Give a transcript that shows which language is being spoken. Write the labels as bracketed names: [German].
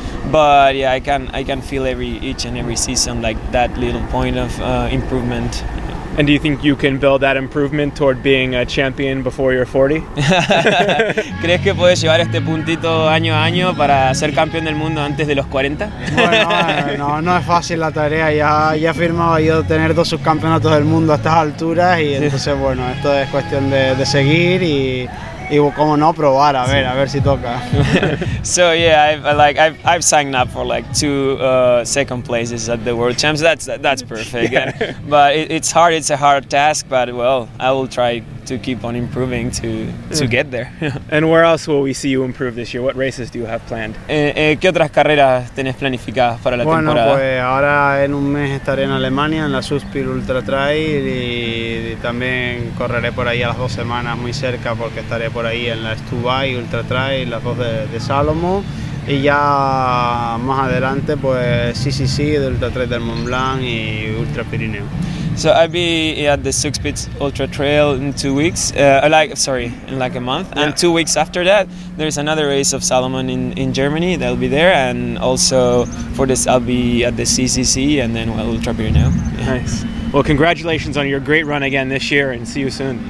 [English] But yeah, I can feel each and every season like that little point of improvement. And do you think you can build that improvement toward being a champion before you're 40? [Spanish] ¿Crees que puedes llevar este puntito año a año para ser campeón del mundo antes de los 40? Bueno, no es fácil la tarea. Ya firmaba yo tener dos subcampeonatos del mundo a estas alturas y entonces, bueno, esto es cuestión de seguir y... Y cómo no probar, a ver, sí. A ver si toca. [English] So yeah, I've signed up for like two second places at the World Champs. That's perfect. Yeah. But it's hard. It's a hard task. But well, I will try to keep on improving to get there. And where else will we see you improve this year? What races do you have planned? [Spanish] ¿Qué otras carreras tienes planificadas para la temporada? Bueno, pues ahora en un mes estaré en Alemania en la Suspir Ultra Trail y también correré por ahí a las dos semanas muy cerca porque estaré por ahí en la Stubai Ultra Trail, las dos de Salomo, y ya más adelante pues CCC de Ultra Trail del Mont Blanc y Ultra Pirineo. [English] So I'll be at the Suspir Ultra Trail in 2 weeks, in like a month, yeah. And 2 weeks after that there's another race of Salomon in Germany that will be there, and also for this I'll be at the CCC and then Ultra Pirineo. Yeah. Nice. Well, congratulations on your great run again this year, and see you soon.